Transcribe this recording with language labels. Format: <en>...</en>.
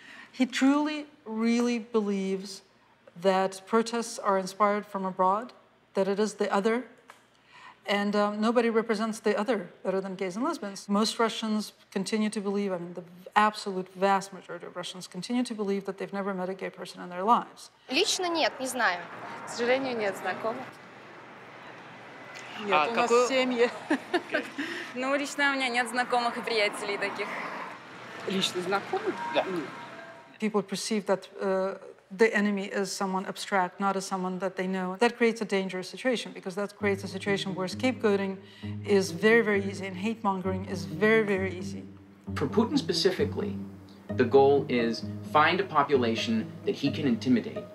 <en>He truly, really believes that protests are inspired from abroad, that it is the other, and nobody represents the other better than gays and lesbians. Most Russians continue to believe, I mean, the absolute vast majority of Russians continue to believe that they've never met a gay person in their lives.</en> <ru>Лично нет, не знаю. К сожалению, нет знакомых. Нет, у нас семьи. Ну, лично у меня нет знакомых и приятелей таких. Лично знакомых? Да.</ru> <en>People perceive that the enemy is someone abstract, not as someone that they know. That creates a dangerous situation, because that creates a situation where scapegoating is very, very easy, and hate-mongering is very, very easy. For Putin specifically, the goal is find a population that he can intimidate.</en>